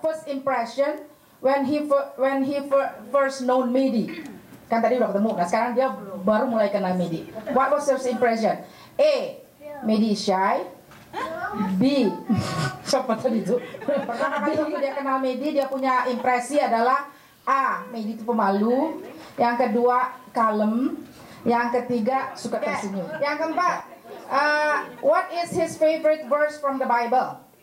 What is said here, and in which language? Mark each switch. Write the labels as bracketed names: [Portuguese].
[English] First impression when he first known Medi. [Indonesian] Kan tadi udah ketemu. Nah, sekarang dia baru mulai kenal Medi. [English] What was first impression? [Indonesian] A, Medi shy. B, siapa tadi itu? Pertama kali dia kenal Medi, dia punya impresi adalah A, Medi itu pemalu. Yang kedua, kalem. Yang ketiga, suka tersenyum. Okay. Yang keempat, [English] what is his favorite verse from the Bible?